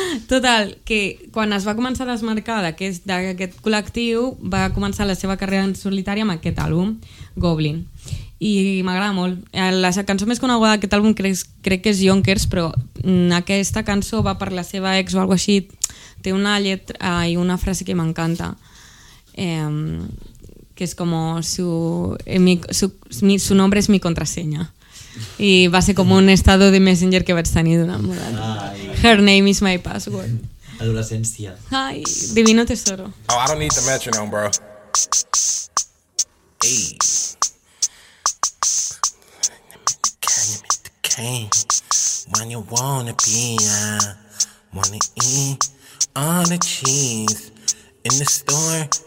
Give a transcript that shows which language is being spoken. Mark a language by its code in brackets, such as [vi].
[ca] Total, que quan es va començar a desmarcar d'aquest col·lectiu, va començar la seva carrera en solitari amb aquest àlbum, Goblin. I m'agrada molt. La cançó més coneguda d'aquest àlbum crec que és Yonkers, però aquesta cançó va per la seva ex o alguna cosa així. Té una lletra i una frase que m'encanta. [es] Que es como su nombre es mi contraseña. Y va a ser como un estado de Messenger que va a estar una moda. [en] Her name is my password. [es] Adolescencia. Ay, divino tesoro. [en] Oh, I don't need the metronome, bro. Hey. When you wanna be, wanna eat all the cheese in the store.